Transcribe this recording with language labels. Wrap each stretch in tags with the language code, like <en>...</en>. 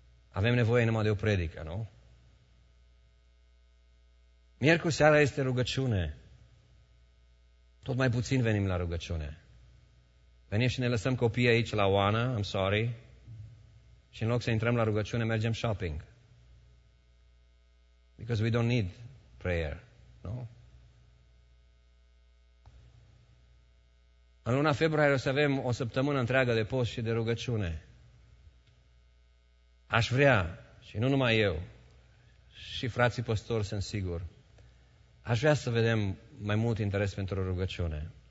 <ro>Avem nevoie numai de o predică, nu? Miercuri seara este rugăciune. Tot mai puțin venim la rugăciune. Venim și ne lăsăm copiii aici la Oana,</ro> <en>I'm sorry,</en> <ro>și în loc să intrăm la rugăciune, mergem shopping.</ro> <en>Because we don't need prayer, nu?</en> <ro>În luna februarie o să avem o săptămână întreagă de post și de rugăciune. Aș vrea, și nu numai eu, și frații păstori sunt sigur, aș vrea să vedem mai mult interes pentru rugăciune.</ro>